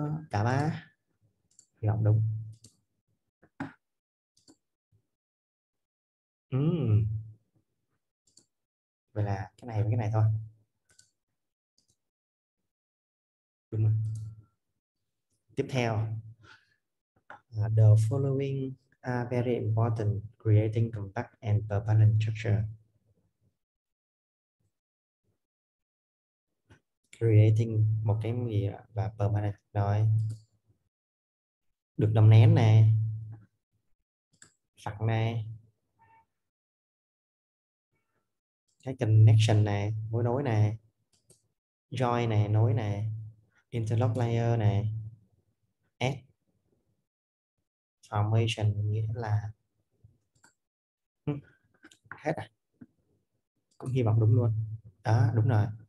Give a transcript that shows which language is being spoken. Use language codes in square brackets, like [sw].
[vi] Cả ba hy vọng đúng. Vậy là cái này với cái này thôi, đúng rồi. Tiếp theo, [en] the following are very important creating compact and permanent structure. [vi] Creating một cái gì đó, và permanent rồi, được đồng nén nè, phẳng này, cái connection này, mối nối này, join này, nối này, [en] interlock layer [vi] này, [en] add formation [vi] nghĩa là hết à, cũng hy vọng đúng luôn. Đó đúng rồi.